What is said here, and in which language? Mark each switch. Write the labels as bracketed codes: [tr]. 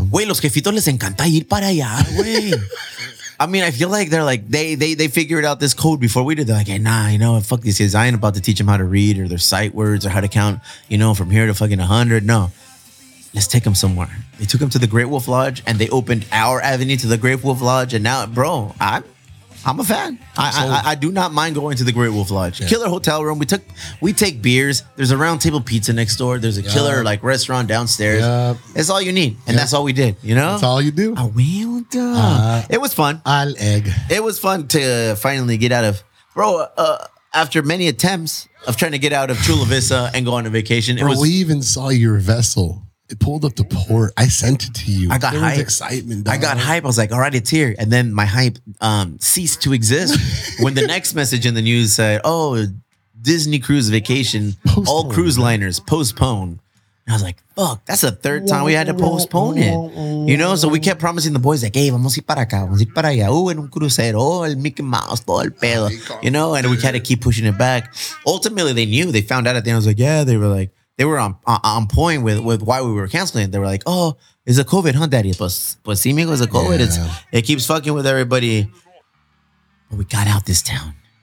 [es] Güey, los jefitos les encanta ir para allá, güey. [en] I mean, I feel like they're like, they figured out this code before we did. They're like, hey, nah, you know, fuck these kids. I ain't about to teach them how to read or their sight words or how to count, you know, from here to fucking 100. No, let's take them somewhere. They took them to the Great Wolf Lodge and they opened our avenue to the Great Wolf Lodge. And now, bro, I'm a fan. I do not mind going to the Great Wolf Lodge. Yeah. Killer hotel room. We take beers. There's a round table pizza next door. There's a killer like restaurant downstairs. Yep. It's all you need. And that's all we did. You know? That's all you do. I will do. It was fun. I'll egg. It was fun to finally get out of. Bro, after many attempts of trying to get out of Chula Vista and go on a vacation. We even saw your vessel. It pulled up the port. I sent it to you. I got there hype. Was excitement, dog. I got hype. I was like, all right, it's here. And then my hype ceased to exist when the next message in the news said, oh, Disney cruise vacation, postpone, all cruise liners postpone. And I was like, fuck, that's the third time we had to postpone it. You know, so we kept promising the boys, like, hey, vamos a ir para acá, vamos a ir para allá. [es] Oh, en un crucero, oh, el Mickey Mouse, todo el pedo. [en] You know, and we had to keep pushing it back. Ultimately, they knew. They found out at the end. I was like, yeah, they were like, they were on point with why we were canceling. They were like, oh, it's a COVID, huh, daddy? Pues sí, amigo, it's a COVID. Yeah. It keeps fucking with everybody. But we got out this town.